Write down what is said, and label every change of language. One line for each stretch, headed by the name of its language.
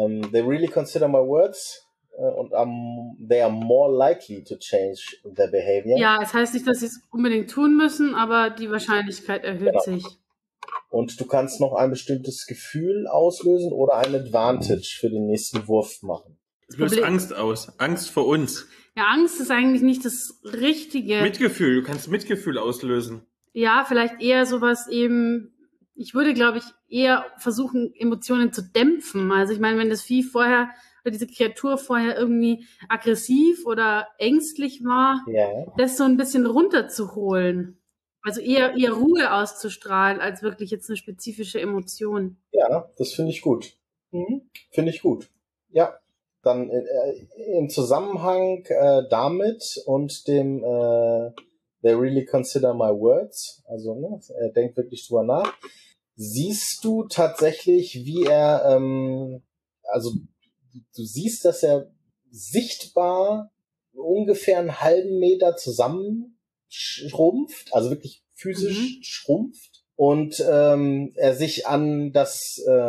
English: They really consider my words and they are more likely to change their behavior.
German: Ja, es heißt nicht, dass sie es unbedingt tun müssen, aber die Wahrscheinlichkeit erhöht sich. Und du kannst noch ein bestimmtes Gefühl auslösen oder ein Advantage für den nächsten Wurf machen. Es löst Angst aus. Angst vor uns. Ja, Angst ist eigentlich nicht das Richtige. Mitgefühl. Du kannst Mitgefühl auslösen. Ja, vielleicht eher sowas eben. Ich würde, glaube ich, eher versuchen, Emotionen zu dämpfen. Also ich meine, wenn das Vieh vorher, oder diese Kreatur vorher irgendwie aggressiv oder ängstlich war, ja, das so ein bisschen runterzuholen. Also eher Ruhe auszustrahlen, als wirklich jetzt eine spezifische Emotion. Ja, das finde ich gut. Mhm. Finde ich gut. Ja, dann im Zusammenhang damit und dem
English: they really consider my words.
German: Also, ne, er denkt wirklich drüber nach. Siehst du tatsächlich, wie er, also du siehst, dass er sichtbar ungefähr einen halben Meter zusammenschrumpft, also wirklich physisch schrumpft, und er sich an das